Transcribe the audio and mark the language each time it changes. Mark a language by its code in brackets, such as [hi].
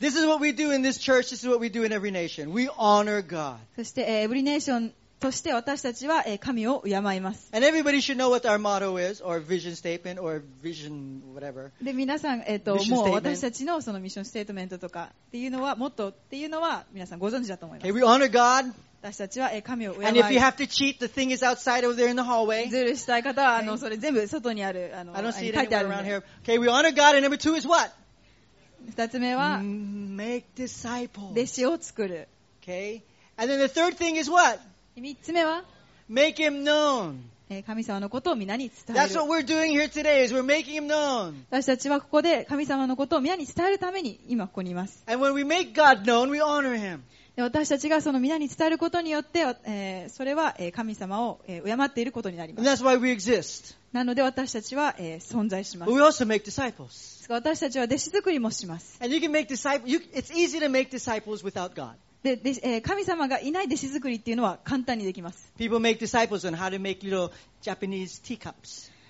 [en] This is what we do in this church. This is what we do in every nation. We honor God. [ja] そして、every nation として私たちは神を敬います。 [en] And everybody should know what our motto is, or vision statement, or vision whatever. [ja] で、皆さん、もう私たちのそのミッションステートメントとかっていうのは、もっとっていうのは皆さんご存知だと思います。 [en] Okay, we honor God. [ja] 私たちは神を敬い。 [en] And if you have to cheat, the thing is outside over there in the hallway. [ja] ズルしたい方はそれ全部外にある書いてあるんで。 [en] Okay, we honor God. And number two is what? [ja] 二つ目は、 [en] make disciples. [ja] 弟子を作る。 [en] Okay. And then the third thing is what? [ja] 三つ目は、 [en] make him known. [ja] 神様のことを皆に伝える。 [en] That's what we're doing here today is we're making him known. [ja] 私たちはここで神様のことを皆に伝えるために今ここにいます。 [en] And when we make God known, we honor him. [ja] 私たちがその皆に伝えることによって、それは神様を敬っていることになります。 [en] And that's why we exist. [ja] なので私たちは存在します。 [en] But we also make disciples. [ja] 私たちは弟子作りもします。 [en] And you can make disciples. It's easy to make disciples without God. [ja] で、神様がいない弟子作りっていうのは簡単にできます。 [en] People make disciples on how to make little Japanese teacups.